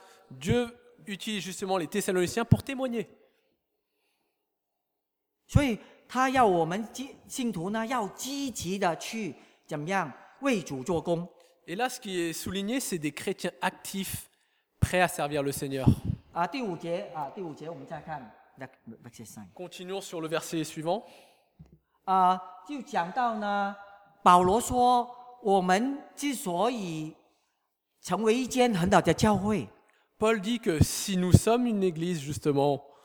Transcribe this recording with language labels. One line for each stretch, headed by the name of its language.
French: Dieu utilise justement les Thessaloniciens pour témoigner.
Chinese: 所以他要我们信徒呢，要积极的去怎么样为主做工。
French: Et là, ce qui est souligné, c'est des chrétiens actifs, prêts à servir le Seigneur.
Chinese: 啊，第五节啊，第五节我们再看
French: verset 5。 Continuons sur le verset suivant.
Chinese: 啊，就讲到呢，保罗说，我们之所以成为一间很好的教会。
French: Paul dit que si nous sommes une église, justement.